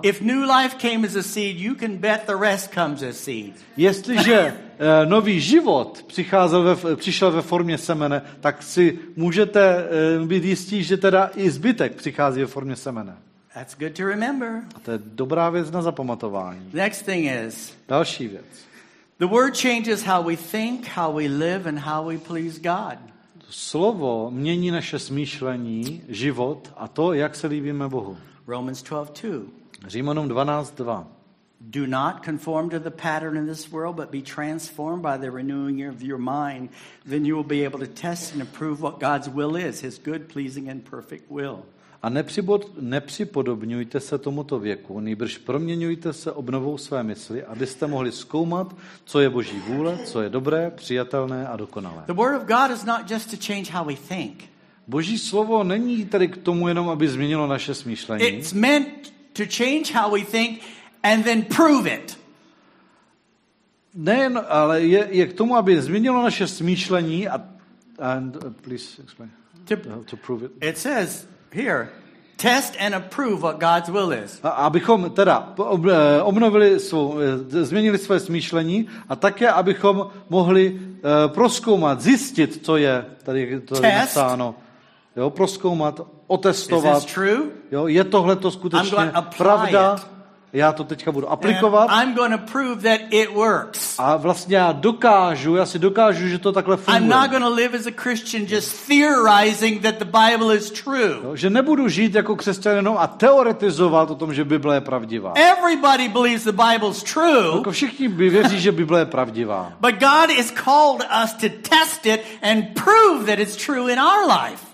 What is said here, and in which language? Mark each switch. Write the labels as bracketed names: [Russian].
[English] If new life came as a seed, you can bet the rest comes as seed. [Czech] Jestliže nový život přišel ve formě semene, tak si můžete být jistí, že teda i zbytek přichází ve formě semene. [English] That's good to remember. [Czech] A to je dobrá věc na zapamatování. [English] Next thing is. [Czech] Další věc. [English] The word changes how we think, how we live and how we please God. [Czech] Slovo mění naše smýšlení, život a to, jak se líbíme Bohu. [English] Romans 12:2. [Czech] Římanům 12:2. [English] Do not conform to the pattern in this world, but be transformed by the renewing of your mind, then you will be able to test and approve what God's will is, his good, pleasing and perfect will. [Czech] A nepřipodobňujte se tomuto věku, nýbrž proměňujte se obnovou své mysli, abyste mohli zkoumat, co je Boží vůle, co je dobré, přijatelné a dokonalé. [English] The word of God is not just to change how we think. [Czech] Boží slovo není tady k tomu jenom, aby změnilo naše smýšlení. [English] It's meant to change how we think and then prove it. [Czech] Ne, ale je k tomu, aby změnilo naše smýšlení a [English] please explain. To prove it. It says here, test and approve what God's will is. [Czech] Abychom teda obnovili změnili své smýšlení a také abychom mohli prozkoumat, zjistit, co je tady to napsáno. Jo, prozkoumat, otestovat. [English] Is this true? [Czech] Jo, je tohle to skutečně pravda? Já to teďka budu aplikovat. [English] I'm going to prove that it works. [Czech] A vlastně já si dokážu, že to takhle funguje. [English] I'm not going to live as a Christian just theorizing that the Bible is true. [Czech] No, že nebudu žít jako křesťan jenom a teoretizovat o tom, že Bible je pravdivá. [English] Everybody believes the Bible's true. [Czech] No, všichni věří, že Bible je pravdivá. [English] But God has called us to test it and prove that it's true in our life.